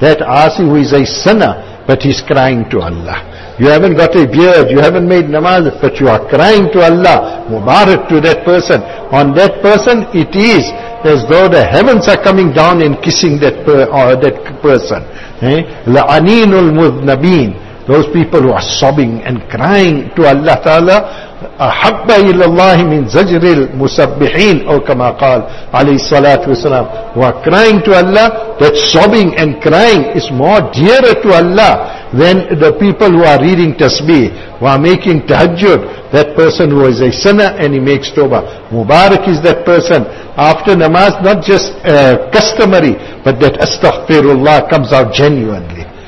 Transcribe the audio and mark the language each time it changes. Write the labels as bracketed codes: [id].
[en] That asi who is a sinner, but he's crying to Allah. You haven't got a beard, you haven't made namaz, but you are crying to Allah. Mubarak to that person. On that person, it is as though the heavens are coming down and kissing that person. [ar] La'aninul mudnabin. [en] Those people who are sobbing and crying to Allah Ta'ala, [ar] أَحَبَّ إِلَى اللَّهِ مِنْ زَجْرِ الْمُسَبِّحِينَ أَوْ كَمَا قَالَ عَلَيْهِ الصَّلَاةُ وَالسَّلَامُ. [en] Who are crying to Allah, that sobbing and crying is more dearer to Allah than the people who are reading tasbih, who are making tahajjud. That person who is a sinner and he makes tawbah, mubarak is that person. After namaz, not just customary, but that astaghfirullah comes out genuinely.